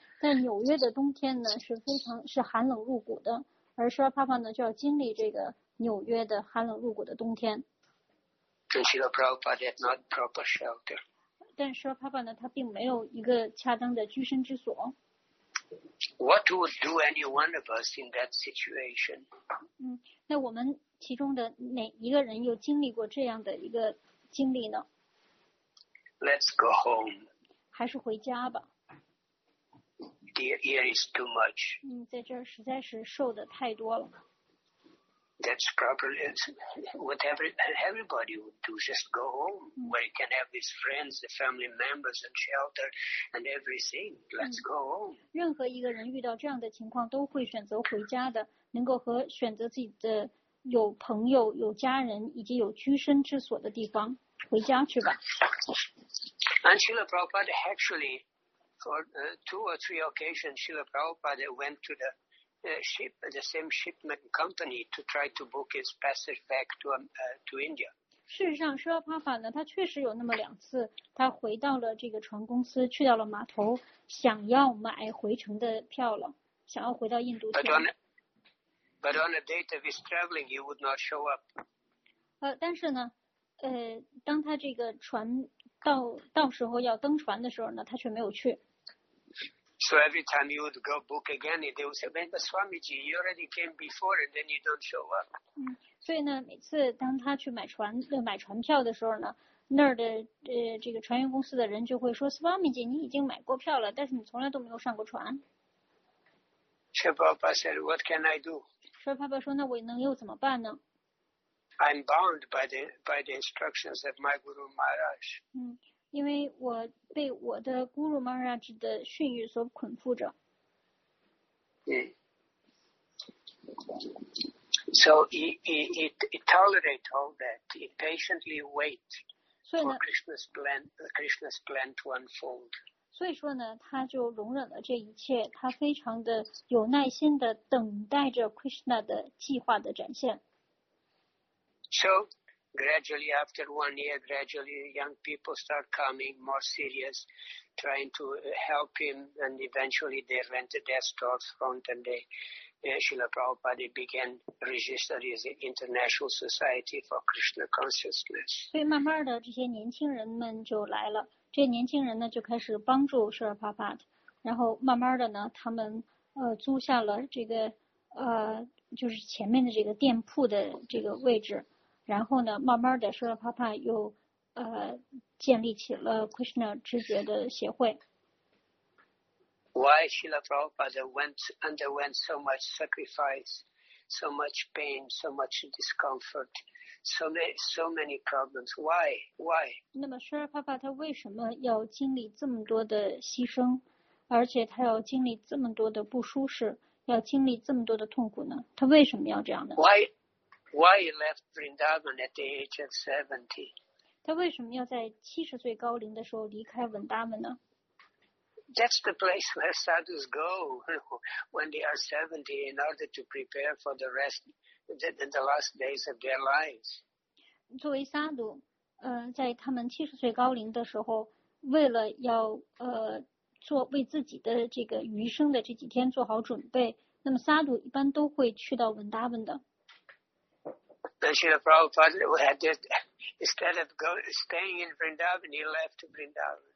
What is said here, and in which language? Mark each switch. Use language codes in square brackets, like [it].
[zh] 但纽约的冬天呢是非常是寒冷入骨的，而舒拉帕帕呢就要经历这个纽约的寒冷入骨的冬天。 [en] And Srila Prabhupada had not proper shelter. [zh] 但舒拉帕帕呢他并没有一个恰当的居身之所。 [en] What would do any one of us in that situation? [zh] 那我们其中的哪一个人又经历过这样的一个经历呢？ [en] Let's go home. [zh] 还是回家吧。 [en] Here is too much. [zh] 在这儿实在是受的太多了。 [en] That's probably what everybody would do. Just go home where you can have these friends, the family members, and shelter and everything. Let's go home. [zh] 任何一个人遇到这样的情况都会选择回家的，能够和选择自己的有朋友、有家人以及有居身之所的地方，回家去吧。 [en] And Srila Prabhupada actually. For two or three occasions, Srila Prabhupada went to the same shipment company to try to book his passage back to India. [zh] 事实上，舒拉帕帕呢，他确实有那么两次，他回到了这个船公司，去到了码头，想要买回程的票了，想要回到印度去。 [en] But on a date of his traveling, he would not show up. [zh] 但是呢，当他这个船到时候要登船的时候呢，他却没有去。 [en] So every time you would go book again, they would say, "But Swamiji, you already came before, and then you don't show up." [zh] 所以呢，每次当他去买船票的时候呢，那儿的这个船员公司的人就会说 ，Swamiji, 你已经买过票了，但是你从来都没有上过船。 [en] Srila Prabhupada said, "What can I do?" [zh] Srila Prabhupada 说，那我能又怎么办呢？ [en] I'm bound by the instructions of my Guru Maharaj. [zh] 因为我被我的 Guru Maharaj 的训谕所捆缚着。 [en] So he tolerate all that. He patiently wait for Krishna's plan to unfold. [zh] 所以说呢，他就容忍了这一切，他非常的有耐心的等待着 Krishna 的计划的展现。 [en] So gradually, after 1 year, gradually young people start coming, more serious, trying to help him, and eventually they rented their storefront, and they, Srila Prabhupada began registering his International Society for Krishna Consciousness. [zh] 所以慢慢的，这些年轻人们就来了。这些年轻人呢，就开始帮助 Srila Prabhupada， 然后慢慢的呢，他们租下了这个就是前面的这个店铺的这个位置。然后呢，慢慢的，舒拉帕帕又建立起了 Krishna 直觉的协会。 [en] Why Srila Prabhupada underwent so much sacrifice, so much pain, so much discomfort, so many problems? Why? [zh] 那么舒拉帕帕他为什么要经历这么多的牺牲，而且他要经历这么多的不舒适，要经历这么多的痛苦呢？他为什么要这样呢 [en] ？Why? Why he left Vrindavan at the age of 70? [zh] 他为什么要在70岁高龄的时候离开文达文呢？ [en] That's the place where sadhus go when they are 70 in order to prepare for the rest, the last days of their lives. [zh] 作为萨杜，在他们70岁高龄的时候，为了要做为自己的这个余生的这几天做好准备，那么萨杜一般都会去到文达文的。 [en] And Srila Prabhupada had just, instead of staying in Vrindavan, he left Vrindavan.